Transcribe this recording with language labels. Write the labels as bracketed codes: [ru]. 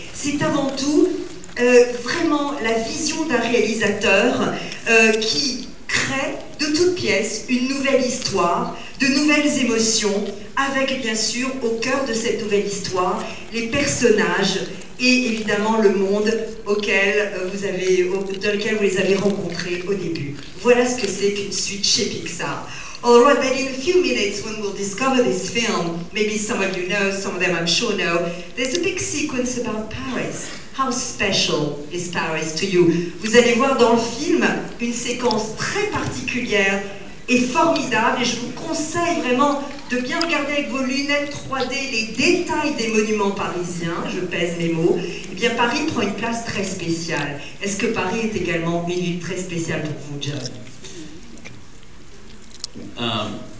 [fr] C'est avant tout vraiment la vision d'un réalisateur qui crée de toutes pièces une nouvelle histoire, de nouvelles émotions, avec bien sûr au cœur de cette nouvelle histoire, les personnages et évidemment le monde dans lequel vous les avez rencontrés au début. Voilà ce que c'est qu'une suite chez Pixar. [en] All right, but in a few minutes when we'll discover this film, maybe some of you know, some of them I'm sure know, there's a big sequence about Paris. How special is Paris to you? [fr] Vous allez voir dans le film une séquence très particulière et formidable, et je vous conseille vraiment de bien regarder avec vos lunettes 3D les détails des monuments parisiens, je pèse mes mots. Eh bien, Paris prend une place très spéciale. Est-ce que Paris est également une ville très spéciale pour vous, John?